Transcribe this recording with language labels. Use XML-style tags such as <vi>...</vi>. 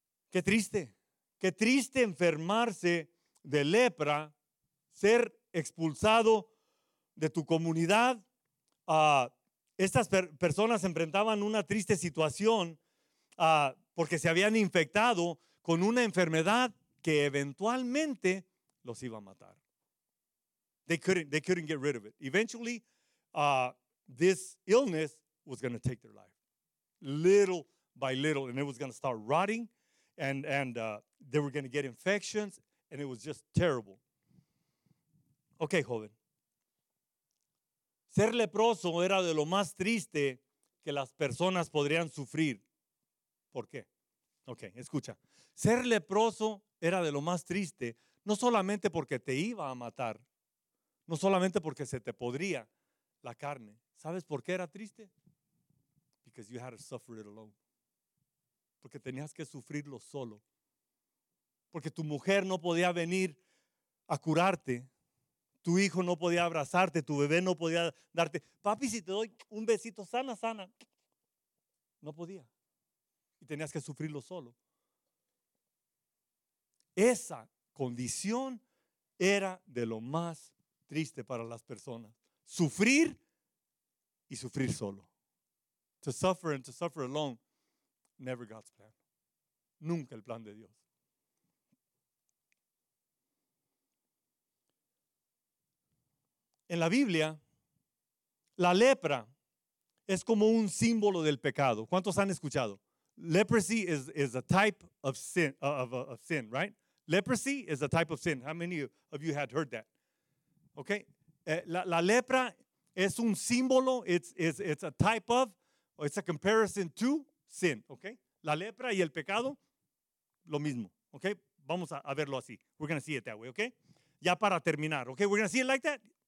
<es>Qué triste enfermarse de lepra, ser expulsado de tu comunidad. Estas personas enfrentaban una triste situación porque se habían infectado con una enfermedad que eventualmente los iba a matar.</es> <en>They couldn't get rid of it. Eventually, this illness was going to take their life, little by little, and it was going to start rotting, and they were going to get infections, and it was just terrible.</en> <es>Okay, joven. Ser leproso era de lo más triste que las personas podrían sufrir. ¿Por qué? Okay, escucha. Ser leproso era de lo más triste, no solamente porque te iba a matar, no solamente porque se te podría la carne. ¿Sabes por qué era triste?</es> <en>Because you had to suffer it alone.</en> <es>Porque tenías que sufrirlo solo. Porque tu mujer no podía venir a curarte. Tu hijo no podía abrazarte, tu bebé no podía darte, papi, si te doy un besito, sana, sana. No podía. Y tenías que sufrirlo solo. Esa condición era de lo más triste para las personas. Sufrir y sufrir solo.</es> <en>To suffer and to suffer alone, never God's plan.</en> <es>Nunca el plan de Dios. En la Biblia, la lepra es como un símbolo del pecado. ¿Cuántos han escuchado?</es> <en>Leprosy is a type of sin, of sin, right? Leprosy is a type of sin. How many of you had heard that? Okay.</en> <es>La lepra es un símbolo.</es> <en>It's a type of, or it's a comparison to sin. Okay.</en> <es>La lepra y el pecado, lo mismo. Okay. Vamos a verlo así.</es> <en>We're going to see it that way. Okay.</en> <es>Ya para terminar.</es> <en>Okay. We're going to see it like that.</en>